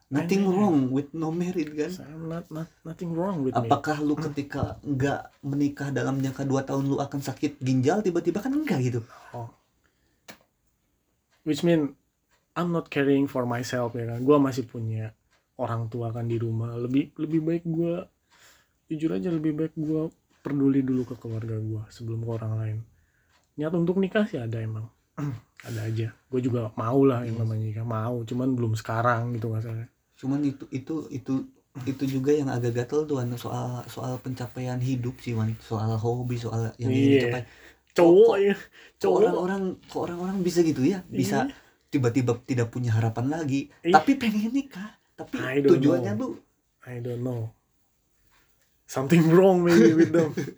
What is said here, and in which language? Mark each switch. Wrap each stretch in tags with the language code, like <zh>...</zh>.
<en>Nothing wrong with no married kan. Nothing wrong with</en> <id>apakah me. Lu ketika gak menikah dalam jangka 2 tahun lu akan sakit ginjal tiba-tiba kan enggak gitu. Oh.</id> <en>Which mean I'm not caring for myself ya kan.</en> <id>Gue masih punya orang tua kan di rumah. Lebih baik gue, jujur aja lebih baik gue peduli dulu ke keluarga gue sebelum ke orang lain. Niat untuk nikah sih ada emang, ada aja. Gue juga mau lah yang namanya nikah, mau. Cuman belum sekarang gitu masalahnya. Cuman itu juga yang agak gatel tuh, soal pencapaian hidup sih, Wan. Soal hobi, soal yang ingin dicapai. Cowok ya. Orang-orang bisa gitu ya, bisa tiba-tiba tidak punya harapan lagi. Tapi pengen nikah. Tapi tujuannya tuh.</id> <en>I don't know. Something wrong maybe with them.</en>